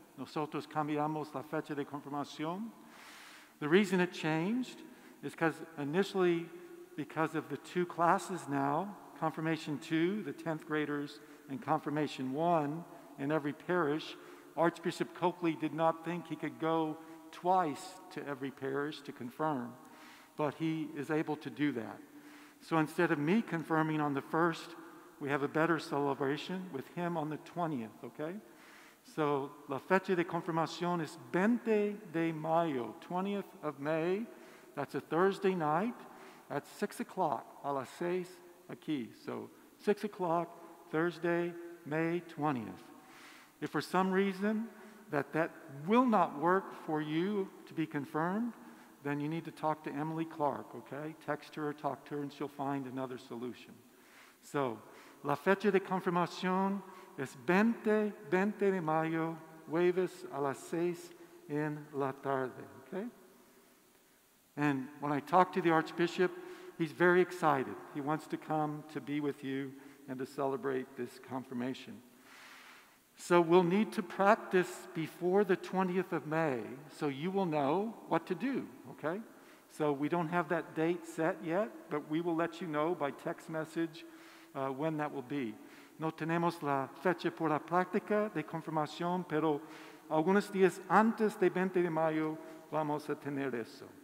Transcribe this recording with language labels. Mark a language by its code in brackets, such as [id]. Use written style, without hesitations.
[es] Nosotros cambiamos la fecha de confirmación. [en] The reason it changed is because initially, because of the two classes now, Confirmation 2, the 10th graders, and Confirmation 1 in every parish, Archbishop Coakley did not think he could go twice to every parish to confirm, but he is able to do that. So instead of me confirming on the 1st, we have a better celebration with him on the 20th, okay? [es] So la fecha de confirmación es 20 de mayo, [en] 20th of May. That's a Thursday night at 6 o'clock, [es] a las 6 aquí. [en] So 6 o'clock, Thursday, May 20th. If for some reason that will not work for you to be confirmed, then you need to talk to Emily Clark, okay? Text her or talk to her and she'll find another solution. [es] So, la fecha de confirmación es 20 de mayo, jueves a las 6 en la tarde, okay? [en] And when I talk to the Archbishop, he's very excited. He wants to come to be with you and to celebrate this confirmation. So we'll need to practice before the 20th of May so you will know what to do, okay? So we don't have that date set yet, but we will let you know by text message when that will be. [es] No tenemos la fecha por la práctica de confirmación, pero algunos días antes de 20 de mayo vamos a tener eso.